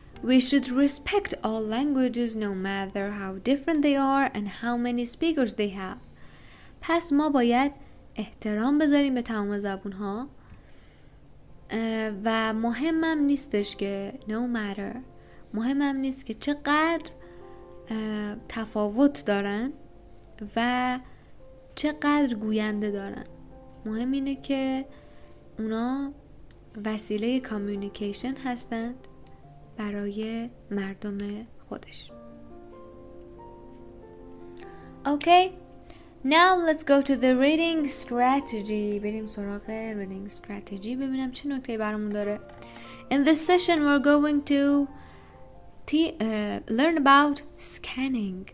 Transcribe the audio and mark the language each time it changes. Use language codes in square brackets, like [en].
[en] We should respect all languages no matter how different they are and how many speakers they have. [fa] پس ما باید احترام بذاریم به تمام زبون ها. و مهمم نیستش که [en] no matter [fa] مهمم نیست که چقدر تفاوت دارن و چقدر گوینده دارن. مهم اینه که اونا وسیله کامیونیکیشن هستند برای مردم خودش. [en] Okay, now let's go to the reading strategy. [fa] بریم سراغ reading strategy ببینم چه نکته برامون داره. [en] In this session we're going to learn about scanning.